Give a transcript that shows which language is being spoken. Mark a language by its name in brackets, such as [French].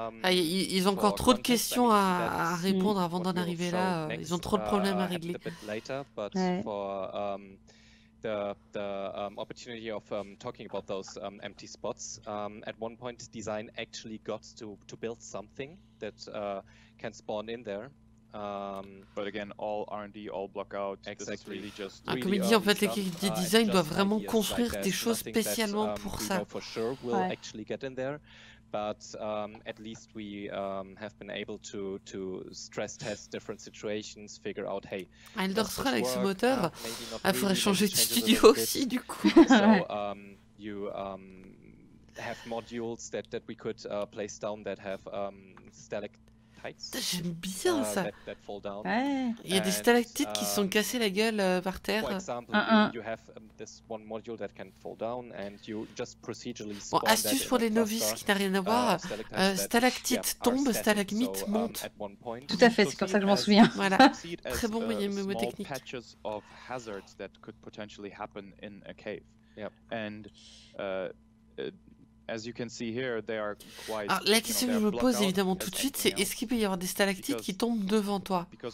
[French] Ils ont encore trop de questions à répondre avant d'en arriver là. Ils ont trop de problèmes à régler. [English] The opportunity of talking about those empty spots. At one point, design actually got to build something that can spawn in there. But again, all R&D, all block out. Exactly. This is really just. [French] Ah, comme il dit, en fait, l'équipe de design doit vraiment construire des choses spécialement pour ça. [English] For sure, will actually get in there. But at least we have been able to stress test different situations, figure out hey. [French] Elder Scrolls avec ce moteur, il faudrait changer de studio aussi du coup. [English] So you have modules that we could place down that have stalactites. [French] J'aime bien ça. [English] That fall down. [French] Il y a des stalactites qui sont cassées la gueule par terre. [English] For example, you have this one module that can fall down, and you just procedurally spawn [French] bon, astuce pour les novices qui n'a rien à voir. Stalactite tombe, stalagmite monte. Tout à fait, c'est comme ça que je m'en souviens. Voilà. Très bon mnémotechnique. [English] Small patches of hazards that could potentially happen in a cave. Yep. And as you can see here, they are quite. [French] Alors, la question que je me pose évidemment tout de suite, c'est est-ce qu'il peut y avoir des stalactites qui tombent devant toi?